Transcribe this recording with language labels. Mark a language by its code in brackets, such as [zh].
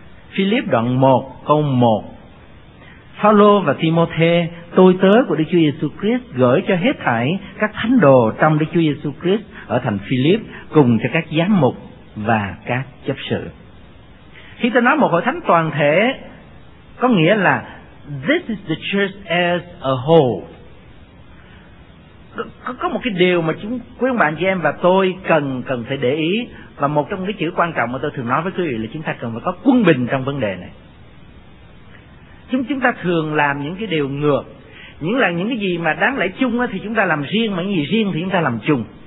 [vi] Philip đoạn 1 câu 1. Phaolô và Timôthê, tôi tớ của Đức Chúa Giêsu Christ, gửi cho hết thảy các thánh đồ trong Đức Chúa Giêsu Christ ở thành Philip, cùng cho các giám mục và các chấp sự. Khi tôi nói một hội thánh toàn thể, có nghĩa là [en] this is the church as a whole. [vi] Có một cái điều mà chúng quý ông bạn chị em và tôi cần phải để ý, và một trong những cái chữ quan trọng mà tôi thường nói với quý vị là chúng ta cần phải có quân bình trong vấn đề này. Chúng ta thường làm những cái điều ngược, những cái gì mà đáng lẽ chung thì chúng ta làm riêng, mà những gì riêng thì chúng ta làm chung.